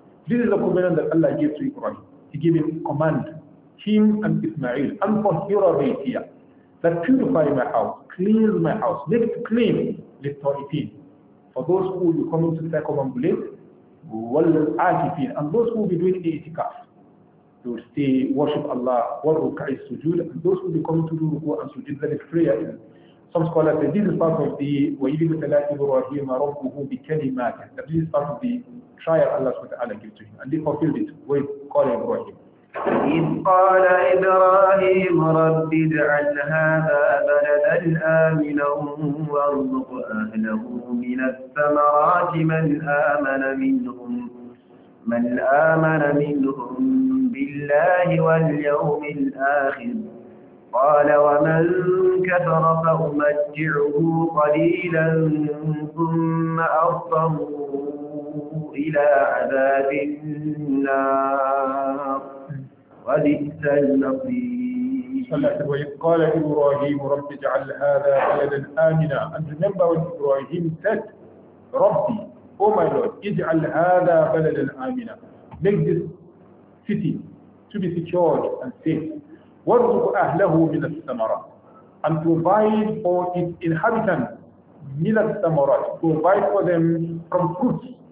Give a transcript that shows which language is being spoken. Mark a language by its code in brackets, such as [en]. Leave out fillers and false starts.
[en] This is the commandment that Allah gave to Ibrahim. He gave him command, him and Ismail, and for Hira Baytiya, that purify my house, clean my house, make it clean, لِلْتَوْئِفِينَ, for those who will be coming to circumambulate, وَالْعَاكِفِينَ, and those who will be doing i'tikaf, they will stay, worship Allah, [ar] وَالرُّكَعِ السُّجُودِ, [en] and those who will be coming to do ruku and sujood, that is prayer. Some scholars say this is part of the [ar] وَيْلِهُ تَلَاتِ بُرْوَهِيمَ رَبُّهُ بِكَلِمَاتِهِ, [en] that this is part of the trial Allah SWT gave to him, and he fulfilled it with calling Ibrahim. [ar] إِذْ قَالَ إِبْرَاهِيمُ رَبِّ اجْعَلْ هَذَا بَلَدًا آمِنًا وَارْزُقْ أَهْلَهُ مِنَ الثَّمَرَاتِ مَنْ آمَنَ مِنْهُمْ بِاللَّهِ وَالْيَوْمِ الْآخِرِ قال ومن كفر فأمتعه قليلا ثم أضطره إلى عذاب النار وبئس المصير. وإذ قال إبراهيم رب اجعل هذا بلدا آمنا, [en] and remember when Ibrahim said, ربي, oh my lord, [ar] اجعل هذا بلدا آمنا, [en] make this city to be secured and safe. [ar] وَرْزُقْ أَهْلَهُ مِنَ الثَّمَرَةِ, [en] and provide for its inhabitants, مِنَ الثَّمَرَةِ, provide for them from fruits.